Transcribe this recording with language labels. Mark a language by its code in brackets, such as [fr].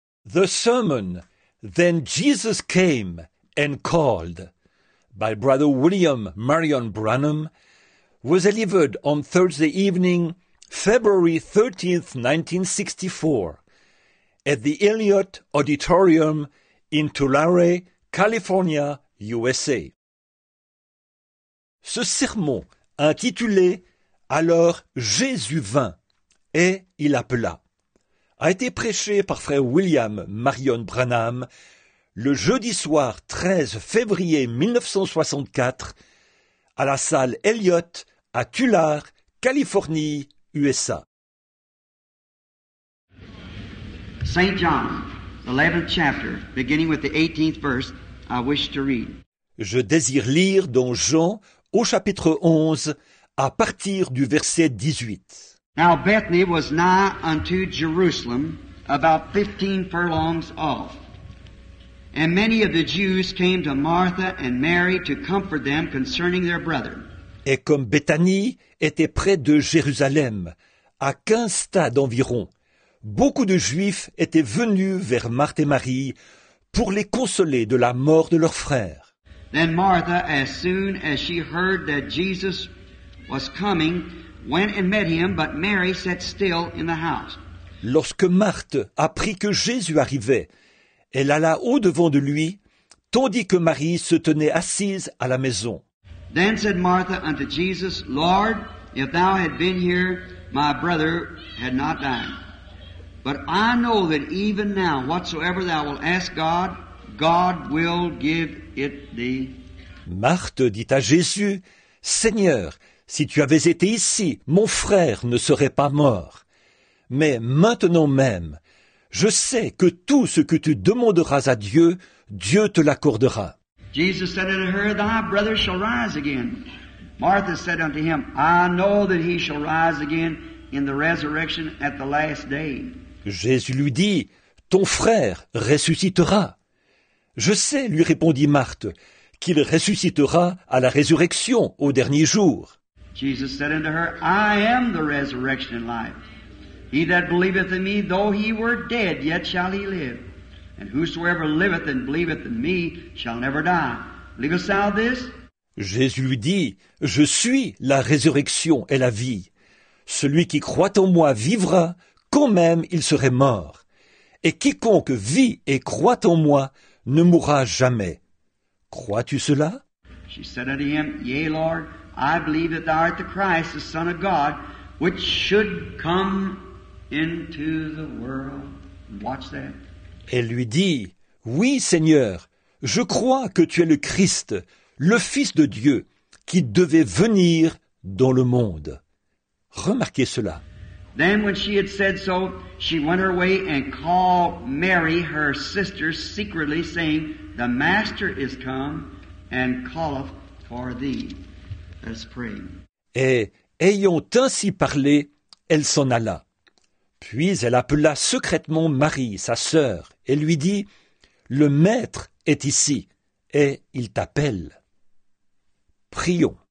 [en] The Sermon, Then Jesus Came and Called, by Brother William Marion Branham, was delivered on Thursday evening, February 13, 1964, at the Elliott Auditorium in Tulare, California, USA. [fr] Ce sermon, intitulé « Alors Jésus vint et il appela », a été prêché par frère William Marion Branham le jeudi soir 13 février 1964 à la salle Elliott à Tulare, Californie, USA. [en] Saint John, 11th chapter, beginning with the 18th verse, I wish to read. [fr] Je désire lire dans Jean au chapitre 11 à partir du verset 18. [en] Now Bethany was nigh unto Jerusalem, about 15 furlongs off. And many of the Jews came to Martha and Mary to comfort them concerning their brother. [fr] Et comme Bethany était près de Jérusalem, à 15 stades environ, beaucoup de Juifs étaient venus vers Marthe et Marie pour les consoler de la mort de leur frère. [en] Then Martha, as soon as she heard that Jesus was coming, went and met him, but Mary sat still in the house. [fr] Lorsque Marthe apprit que Jésus arrivait, elle alla au-devant de lui, tandis que Marie se tenait assise à la maison. [en] Then said Martha unto Jesus, Lord, if thou had been here, my brother had not died. But I know that even now, whatsoever thou wilt ask God, God will give it thee. [fr] Marthe dit à Jésus, Seigneur, si tu avais été ici, mon frère ne serait pas mort. Mais maintenant même, je sais que tout ce que tu demanderas à Dieu, Dieu te l'accordera. [en] Jesus said unto her, Thy brother shall rise again. Martha said unto him, I know that he shall rise again in the resurrection at the last day. [fr] Jésus lui dit, Ton frère ressuscitera. Je sais, lui répondit Marthe, qu'il ressuscitera à la résurrection au dernier jour. [en] Jesus said unto her, I am the resurrection and life. He that believeth in me, though he were dead, yet shall he live. And whosoever liveth and believeth in me shall never die. Believest thou this? [fr] Jésus lui dit, Je suis la résurrection et la vie. Celui qui croit en moi vivra, quand même il serait mort. Et quiconque vit et croit en moi ne mourra jamais. Crois-tu cela? [en] She said unto him, Yea, Lord, I believe that thou art the Christ, the Son of God, which should come into the world. Watch that. [fr] Elle lui dit, Oui, Seigneur, je crois que tu es le Christ, le Fils de Dieu, qui devait venir dans le monde. Remarquez cela. [en] Then when she had said so, she went her way and called Mary, her sister, secretly, saying, The Master is come and calleth for thee. Let's pray. [fr] Et ayant ainsi parlé, elle s'en alla. Puis elle appela secrètement Marie, sa sœur, et lui dit, « Le Maître est ici, et il t'appelle. » Prions.